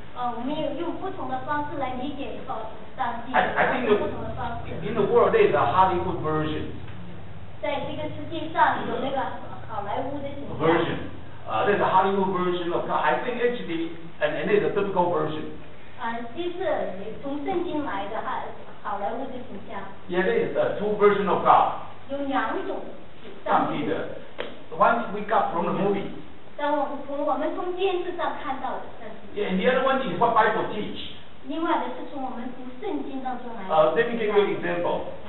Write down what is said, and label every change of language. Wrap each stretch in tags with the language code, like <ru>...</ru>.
<zh>我们有用不同的方式来理解上帝。</zh> <en>I think the, in the world, there is a Hollywood version.</en> <zh>在这个世界上有那个好莱坞的形象。</zh> <en>Version, there's a Hollywood version of God. I think actually, and it's a biblical version.</en> <zh>其实从圣经来的好莱坞的形象。</zh> <en>Yeah, there is a two version of God.</en> <zh>有两种上帝的。</zh> <en>The one we got from the movie. Yeah, and the other one is what Bible teach. Let me give you an example.</en>